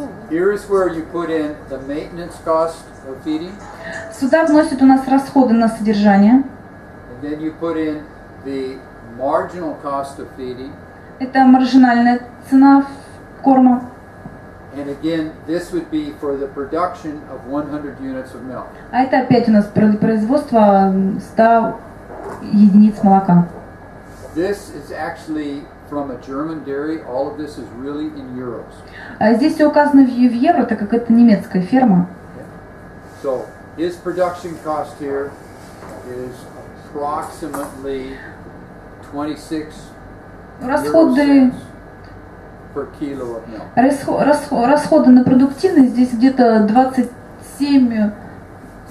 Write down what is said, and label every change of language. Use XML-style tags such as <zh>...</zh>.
<en>Here is where you put in the maintenance cost of feeding.</en> <ru>Сюда вносят у нас расходы на содержание.</ru> <en>then you put in the marginal cost of feeding.</en> <ru>Это маржинальная цена корма.</ru> <en>And again, this would be for the production of 100 units of milk.</en> <ru>А это опять у нас производство 100 единиц молока.</ru> <en>This is actually from a German dairy. All of this is really in euros.</en> <ru>А здесь все указано в евро, так как это немецкая ферма.</ru> <en>So his production cost here is approximately 26</en> <ru>расходы...</ru> <en>per kilo of milk.</en> <ru>Расходы на продуктивность здесь где-то 27 евро.</ru>